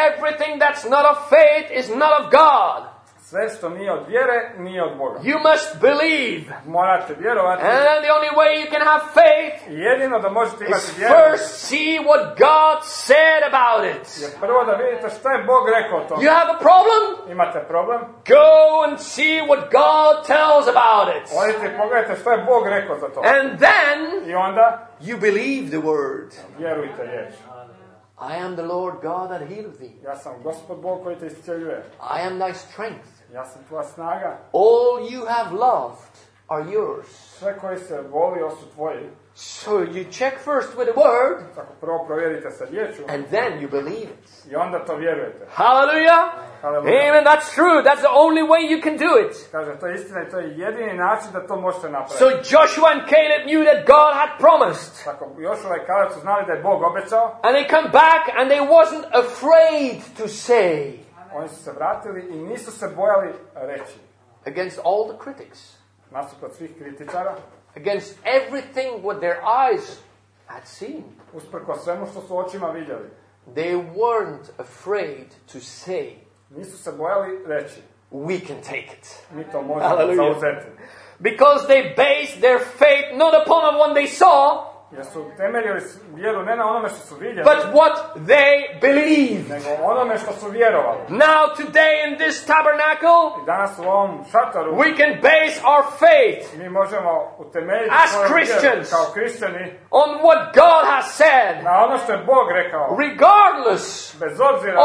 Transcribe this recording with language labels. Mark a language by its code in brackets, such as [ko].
[en] Everything that's not of faith is not of God. [hr] Sve što nije od vjere, nije od Boga. [en] You must believe. [hr] Morate vjerovati. [en] And the only way you can have faith. [hr] Jedino da možete imati vjeru. [en] Is first see what God said about it. [hr] Je prvo da vidite šta je Bog rekao o tome. [en] You have a problem? [hr] Imate problem? [en] Go and see what God tells about it. [hr] Odite pogledajte šta je Bog rekao za to. [en] And then. [hr] I onda. [en] You believe the word. [hr] Vjerujte riječ. [en] I am the Lord God that healed thee. [hr] Ja sam Gospod Bog koji te iscjeljuje. [en] I am thy strength. [hr] Ja sam tvoja snaga. [en] All you have loved are yours. [hr] Sve koje se volio su tvoji. [en] So you check first with the word. [hr] Tako prvo provjerite sa riječu. [en] And then you believe it. [hr] I onda to vjerujete. [en] Hallelujah. Hallelujah. Amen, that's true. That's the only way you can do it. [hr] Kaže, to je istina i to je jedini način da to možete napraviti. [en] So Joshua and Caleb knew that God had promised. [hr] Tako, Joshua i Caleb su znali da je Bog obećao. [en] And they come back and they wasn't afraid to say. [hr] Oni su se vratili i nisu se bojali reći. [en] Against all the critics. [hr] Nasuprot svih kritičara. [en] Against everything what their eyes had seen. [hr] Usprkos svemu što su očima vidjeli. [en] They weren't afraid to say. [hr] Nisu se bojali reći. [en] We can take it. [hr] Mi to možemo zauzeti. [en] Because they based their faith not upon what they saw. [hr] Jer su temeljili vjeru ne na onome što su vidjeli. [en] But what they believed. [hr] Nego onome što su vjerovali. [en] Now today in this tabernacle. [hr] I danas u ovom šatoru. [en] We can base our faith. [hr] Mi možemo utemeljiti [en] as Christians, [hr] kao kristjani. [en] On what God has said. [hr] Na ono što je Bog rekao. [en] Regardless. [hr] Bez obzira.